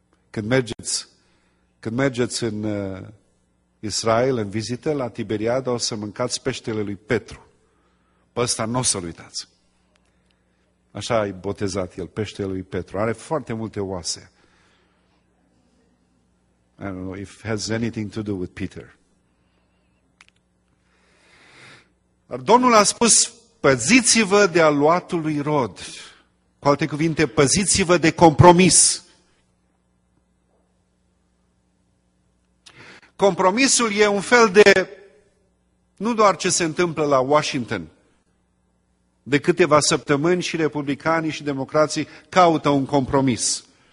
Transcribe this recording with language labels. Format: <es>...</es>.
<ro>Când mergeți în Israel, în vizită, la Tiberiada, o să mâncați peștele lui Petru. Pe ăsta n-o să-l uitați. Așa a botezat el, peștele lui Petru. Are foarte multe oase.</ro> <en>I don't know if it has anything to do with Peter.</en> <ro>Dar Domnul a spus, păziți-vă de aluatul lui Irod. Cu alte cuvinte, păziți-vă de compromis. Compromisul e un fel de, nu doar ce se întâmplă la Washington, de câteva săptămâni și republicanii și democrații caută un compromis.</ro>